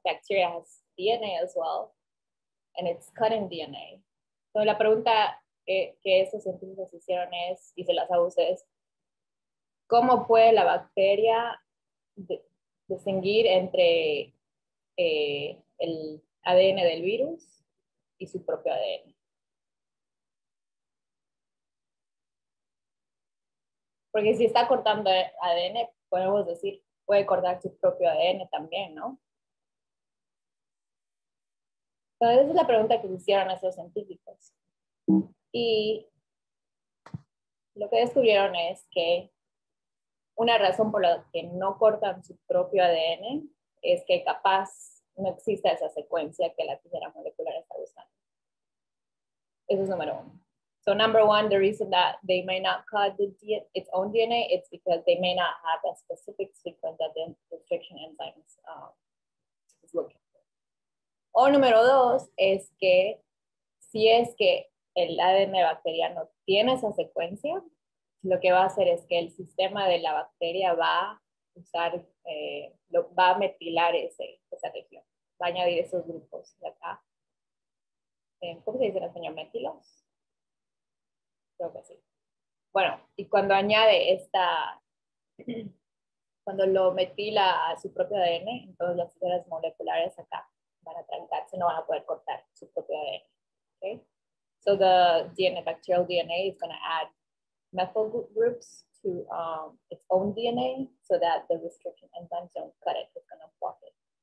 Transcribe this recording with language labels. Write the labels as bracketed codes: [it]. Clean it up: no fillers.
[en] Bacteria has DNA as well, and it's cutting DNA. [es] Entonces, la pregunta que esos científicos hicieron es, y se las hago a ustedes, ¿cómo puede la bacteria distinguir entre el ADN del virus y su propio ADN? Porque si está cortando ADN, podemos decir, puede cortar su propio ADN también, ¿no? Entonces, esa es la pregunta que hicieron esos científicos. Y lo que descubrieron es que una razón por la que no cortan su propio ADN es que capaz no exista esa secuencia que la tijera molecular está usando. Eso es número uno. [en] So number one, the reason that they may not cut its own DNA is because they may not have a specific sequence that the restriction enzymes is looking for. [es] O número dos es que si es que el ADN bacteriano tiene esa secuencia, lo que va a hacer es que el sistema de la bacteria va a usar, va a metilar esa región. Va a añadir esos grupos de acá. ¿Cómo se dice en español? ¿Metilos? Creo que sí. Bueno, y cuando añade cuando lo metila a su propio ADN, entonces las células moleculares acá van a trancarse, no van a poder cortar su propio ADN. ¿Okay? [en] So the DNA, bacterial DNA is going to add methyl groups to its own DNA so that the restriction enzymes don't cut it, it's gonna block it.